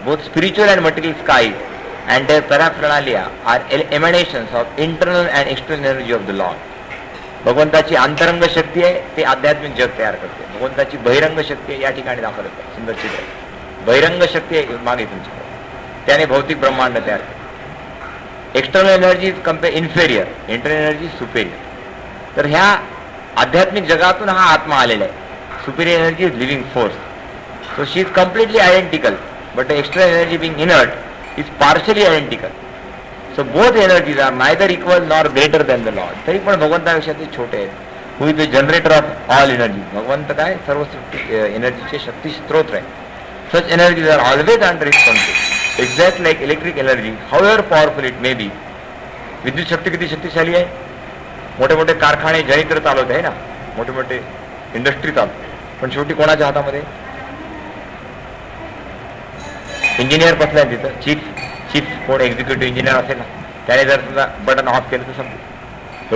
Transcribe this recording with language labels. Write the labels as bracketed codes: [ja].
[en] Both spiritual and material skies and their paraphernalia are emanations of internal and external energy of the Lord. [mr] भगवंताची अंतरंग शक्ती आहे, ते आध्यात्मिक जग तयार करते. भगवंताची बहिरंग शक्ती आहे, या ठिकाणी दाखवत आहे सुंदर चित्र. बहिरंग शक्ती आहे मागे तुमची, त्याने भौतिक ब्रह्मांड तयार केले. [en] External energy is compare inferior, internal energy superior. [mr] तर ह्या आध्यात्मिक जगातून हा आत्मा आलेला आहे. [en] Superior energy is living force, so she is completely identical. But external energy being inert is partially identical. So both energies are neither equal nor greater than the Lord. [mr] तरी पण भगवंतापेक्षा ते छोटे आहेत. [en] Who is the generator of all energy. [mr] भगवंत काय, सर्व एनर्जीचे शक्ती स्त्रोत आहे. [en] Such energies are always under his control, exact like electric energy, however powerful it may be. [mr] विद्युत शक्ती किती शक्तिशाली आहे? मोठे मोठे कारखाने जनित्र चालवत आहे ना, मोठे मोठे इंडस्ट्री चालवते, पण शेवटी कोणाच्या हातामध्ये? इंजिनियर बसला आहे तिथं, चीफ कोण एक्झिक्युटिव्ह इंजिनियर असेल ना, त्याने जर समजा बटन ऑफ केलं तर समजू.